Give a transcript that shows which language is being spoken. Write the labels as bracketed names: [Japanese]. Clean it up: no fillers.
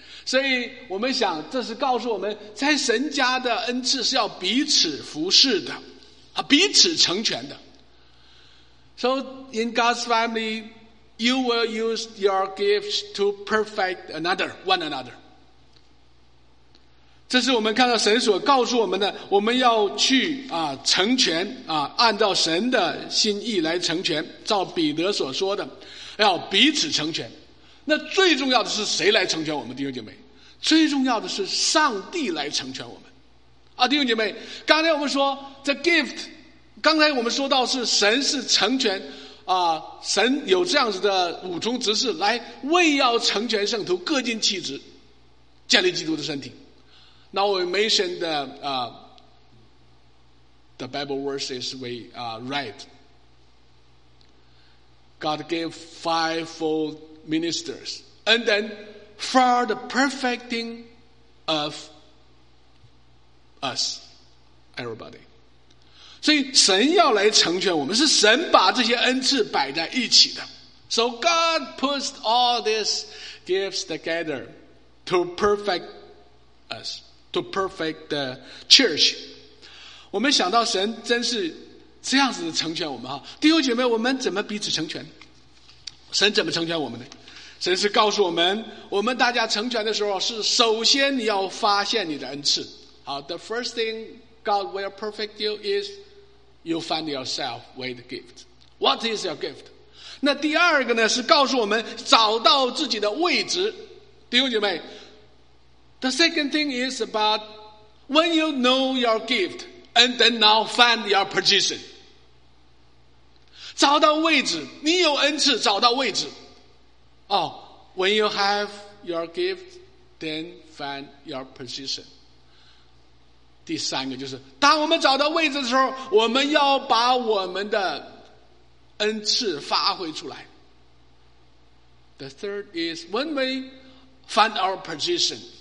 [Chinese] 所以我们想，这是告诉我们在神家的恩赐是要彼此服侍的，彼此成全的。 [English] So in God's family, you will use your gifts to perfect another, one another. [Chinese] 这是我们看到神所告诉我们的，我们要去啊成全啊，按照神的心意来成全，照彼得所说的，要彼此成全。那最重要的是谁来成全我们？弟兄姐妹，最重要的是上帝来成全我们。啊，弟兄姐妹，刚才我们说 [English] the gift， [Chinese] 刚才我们说到是神是成全啊，神有这样子的五重职事来为要成全圣徒，各尽其职，建立基督的身体。 [English] Now we mentioned the Bible verses we read. God gave fivefold ministers, and then for the perfecting of us, everybody. [Chinese] 所以神要来成全我们，是神把这些恩赐摆在一起的。 [English] So God puts all these gifts together to perfect us. To perfect the church. [Chinese] 我们想到神真是这样子的成全我们啊。弟兄姐妹，我们怎么彼此成全？神怎么成全我们呢？神是告诉我们，我们大家成全的时候是首先你要发现你的恩赐。 [English] 好， the first thing God will perfect you is you find yourself with gift. What is your gift? [Chinese] 那第二个呢，是告诉我们找到自己的位置。弟兄姐妹， [English] The second thing is about when you know your gift and then now find your position. [Chinese] 找到位置，你有恩赐，找到位置。 [English] Oh, when you have your gift, then find your position. [Chinese] 第三个就是，当我们找到位置的时候，我们要把我们的恩赐发挥出来。 [English] The third is when we find our position.